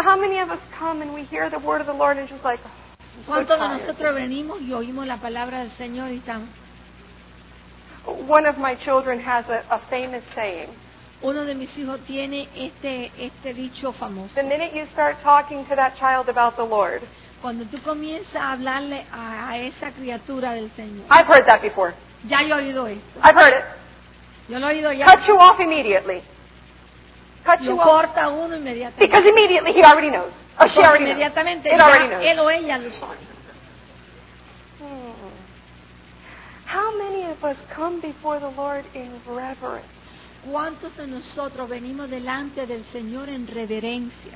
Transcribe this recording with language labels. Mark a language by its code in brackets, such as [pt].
[en] How many of us come and we hear the word of the Lord and just like? Oh, [es] ¿cuántos de nosotros venimos y oímos la palabra del Señor y estamos? [en] One of my children has a famous saying. [es] Uno de mis hijos tiene este dicho famoso. [en] The minute you start talking to that child about the Lord. [es] Cuando tú comienzas a hablarle a esa criatura del Señor. [en] I've heard that before. [es] Ya yo he oído esto. [en] I've heard it. [es] Yo lo he oído ya. [en] Cut you off immediately. Cut [es] you off. Lo corta uno inmediatamente. [en] Because immediately he already knows. Oh, she already [es] inmediatamente [en] knows. [es] It already knows. Él o ella lo sabe. [en] How many of us come before the Lord in reverence? [es] ¿Cuántos de nosotros venimos delante del Señor en reverencia?